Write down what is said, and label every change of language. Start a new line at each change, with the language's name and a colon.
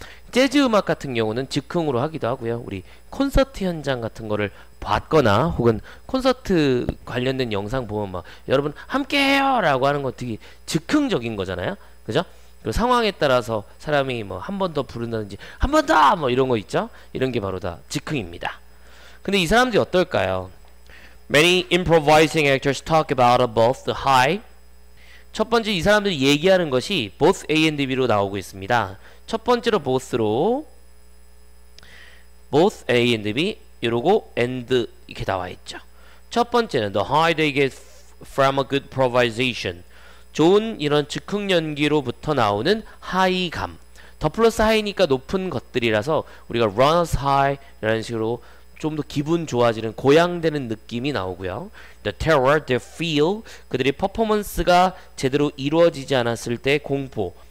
Korean: 재즈 음악 같은 경우는 즉흥으로 하기도 하고요. 우리 콘서트 현장 같은 거를 봤거나 혹은 콘서트 관련된 영상 보면 막 여러분 함께해요라고 하는 거 되게 즉흥적인 거잖아요. 그죠? 그 상황에 따라서 사람이 뭐한번더 부른다든지 한번더뭐 이런 거 있죠? 이런 게 바로 다 즉흥입니다. 근데 이 사람들이 어떨까요?
English: Many improvising actors talk about both the high.
Korean: 첫 번째 이 사람들이 얘기하는 것이
English: both A and B
Korean: 로 나오고 있습니다. 첫 번째로 both로
English: both A and B
Korean: 이러고 and 이렇게 나와 있죠.
English: 첫 번째는 the high they get from a good improvisation.
Korean: 좋은 이런 즉흥 연기로부터 나오는 하이감. 더 플러스 하이니까 높은 것들이라서 우리가
English: runners high
Korean: 이런 식으로 좀더 기분 좋아지는 고양되는 느낌이 나오고요.
English: The terror, the feel,
Korean: 그들이 퍼포먼스가 제대로 이루어지지 않았을 때 공포.